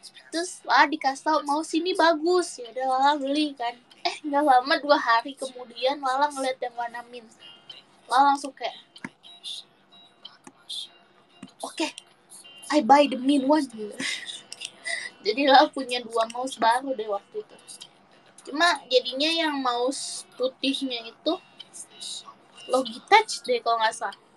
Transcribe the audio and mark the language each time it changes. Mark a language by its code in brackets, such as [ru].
[id] Terus Lala dikasih tau mouse ini bagus, ya udah Lala beli kan. Gak lama, 2 hari kemudian Lala ngeliat yang warna mint. Lala langsung kayak, oke, [en] okay, I buy the mint one. [id] Jadi Lala punya 2 mouse baru deh waktu itu. Cuma jadinya yang mouse putihnya itu Logitech deh kalau nggak salah.